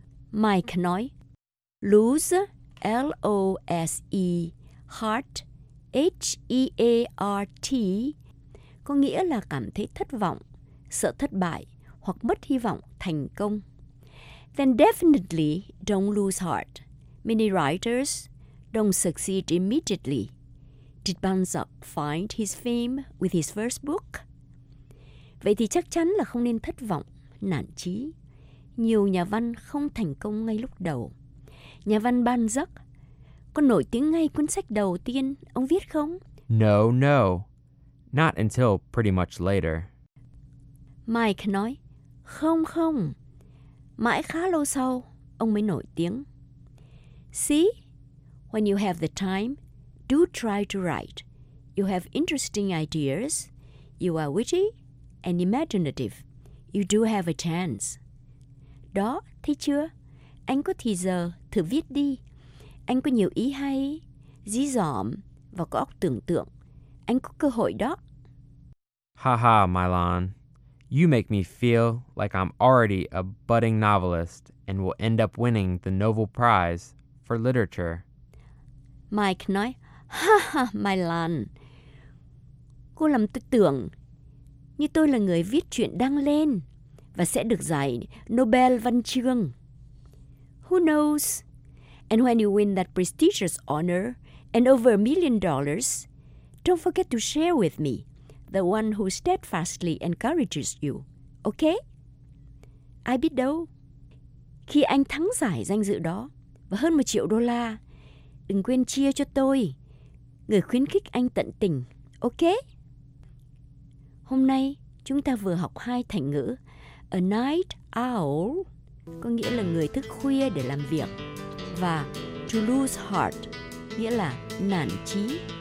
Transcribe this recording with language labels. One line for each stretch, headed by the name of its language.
Vietnamese: Mike nói,
English: lose, L-O-S-E, heart, H-E-A-R-T,
Vietnamese: có nghĩa là cảm thấy thất vọng, sợ thất bại, hoặc mất hy vọng thành công.
English: Then definitely don't lose heart. Many writers don't succeed immediately. Did Balzac find his fame with his first book?
Vietnamese: Vậy thì chắc chắn là không nên thất vọng, nản chí. Nhiều nhà văn không thành công ngay lúc đầu. Nhà văn Balzac có nổi tiếng ngay cuốn sách đầu tiên ông viết không?
English: No, no. Not until pretty much later.
Vietnamese: Mike nói, không, không. Mãi khá lâu sau, ông mới nổi tiếng.
English: See, when you have the time, do try to write. You have interesting ideas. You are witty and imaginative. You do have a chance.
Vietnamese: Đó, thấy chưa? Anh có thì giờ, thử viết đi. Anh có nhiều ý hay, dí dỏm và có óc tưởng tượng. Anh có cơ hội đó. Ha ha, Mylon.
English: You make me feel like I'm already a budding novelist and will end up winning the Nobel Prize for Literature.
Vietnamese: Mike nói, ha ha, Mylon. Cô làm tôi tưởng như tôi là người viết chuyện đăng lên và sẽ được giải Nobel Văn Chương.
English: Who knows? And when you win that prestigious honor and over $1 million, don't forget to share with me, the one who steadfastly encourages you.
Vietnamese: Okay? Ai biết đâu? Khi anh thắng giải danh dự đó và hơn $1 triệu, đừng quên chia cho tôi, người khuyến khích anh tận tình. Okay? Hôm nay, chúng ta vừa học hai thành ngữ.
English: A night owl,
Vietnamese: có nghĩa là người thức khuya để làm việc, và
English: to lose heart,
Vietnamese: nghĩa là nản chí.